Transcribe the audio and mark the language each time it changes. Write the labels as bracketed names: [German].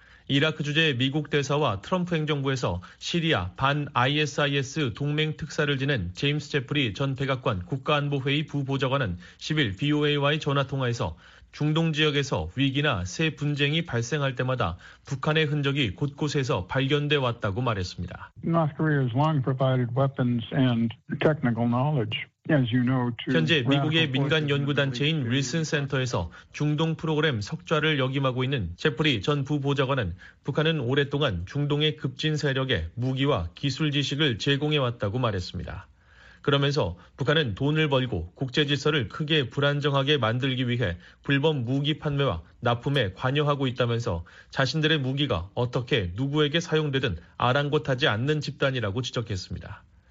[Korean] 이라크 주재의 미국 대사와 트럼프 행정부에서 시리아 반 ISIS 동맹 특사를 지낸 제임스 제프리 전 백악관 국가안보회의 부보좌관은 10일 BOA와의 전화통화에서 중동 지역에서 위기나 새 분쟁이 발생할 때마다 북한의 흔적이 곳곳에서 발견돼 왔다고 말했습니다. [English] North Korea has long provided weapons and technical knowledge. [Korean] 현재 미국의 민간 연구단체인 윌슨 센터에서 중동 프로그램 석좌를 역임하고 있는 제프리 전 부보좌관은 북한은 오랫동안 중동의 급진 세력에 무기와 기술 지식을 제공해왔다고 말했습니다. 그러면서 북한은 돈을 벌고 국제질서를 크게 불안정하게 만들기 위해 불법 무기 판매와 납품에 관여하고 있다면서 자신들의 무기가 어떻게 누구에게 사용되든 아랑곳하지 않는 집단이라고 지적했습니다.